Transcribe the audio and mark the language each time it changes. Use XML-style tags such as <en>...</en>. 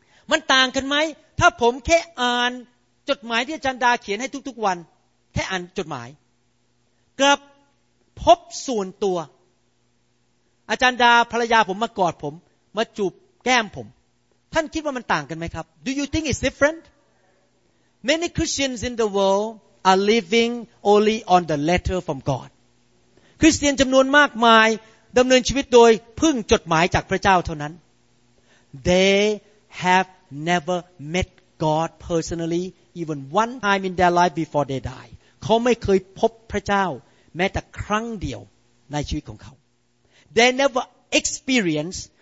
<th>มันต่างกันไหมถ้าผมแค่อ่านจดหมายที่อาจารย์ดาเขียนให้ทุกๆวันแค่อ่านจดหมายกับพบส่วนตัวอาจารย์ดาภรรยาผมมากอดผมมาจูบแก้มผมท่านคิดว่ามันต่างกันไหมครับ</th> <en>Do you think it's different? Many Christians in the world are living only on the letter from God.</en> <th>คริสเตียนจำนวนมากมายดำเนินชีวิตโดยพึ่งจดหมายจากพระเจ้าเท่านั้น</th> <en>They have never met God personally even one time in their life before they die.</en> <th>เขาไม่เคยพบพระเจ้าแม้แต่ครั้งเดียวในชีวิตของเขา</th> <en>They never experienced.</en>